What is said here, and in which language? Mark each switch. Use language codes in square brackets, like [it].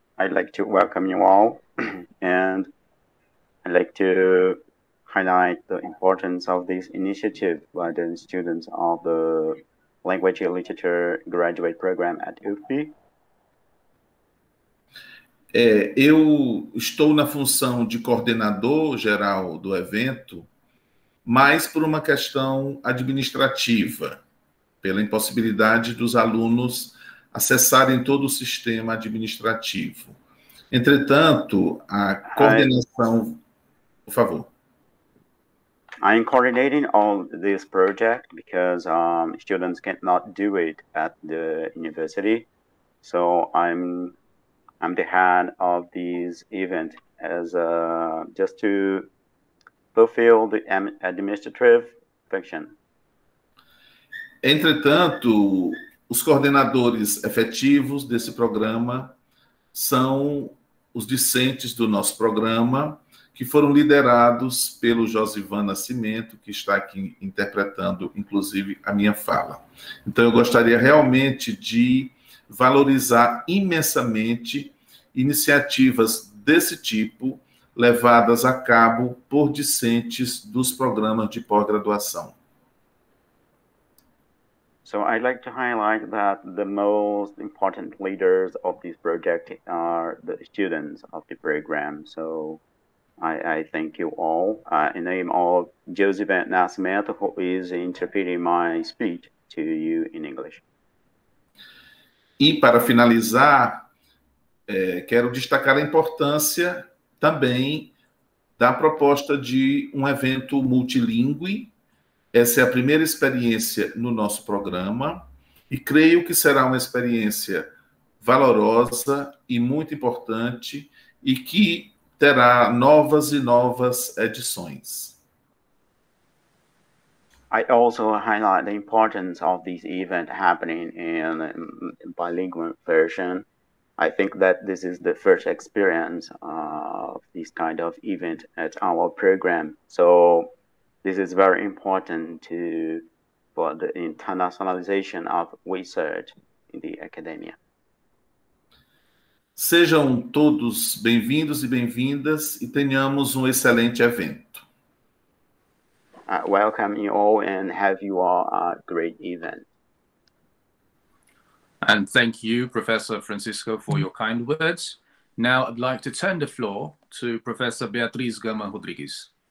[en] I'd like to welcome you all, and I'd like to highlight the importance of this initiative by the students of the Language and Literature Graduate Program at UFPI. [pt] Eu estou na função de coordenador geral do evento, mas por uma questão administrativa, pela impossibilidade dos alunos acessarem todo o sistema administrativo. Entretanto, a coordenação... Por favor. [en] I'm coordinating all this project because students cannot do it at the university. So I'm the head of this event as just to fulfill the administrative function. [pt] Entretanto, os coordenadores efetivos desse programa são os discentes do nosso programa, que foram liderados pelo Josivan Nascimento, que está aqui interpretando, inclusive, a minha fala. Então, eu gostaria realmente de valorizar imensamente iniciativas desse tipo levadas a cabo por discentes dos programas de pós-graduação. [en] So I'd like to highlight that the most important leaders of this project are the students of the program. So I thank you all in name of Joseph Nascimento, who is interpreting my speech to you in English. [pt] E para finalizar, quero destacar a importância também da proposta de um evento multilingue. Essa é a primeira experiência no nosso programa e creio que será uma experiência valorosa e muito importante e que terá novas e novas edições. [en] I also highlight the importance of this event happening in a bilingual version. I think that this is the first experience of this kind of event at our program. So this is very important for the internationalization of research in the academia. [pt] Sejam todos bem-vindos e bem-vindas e tenhamos excelente evento. [en] Welcome you all and have you all a great event. And thank you, Professor Francisco, for your kind words. Now I'd like to turn the floor to Professor Beatriz Gama Rodrigues.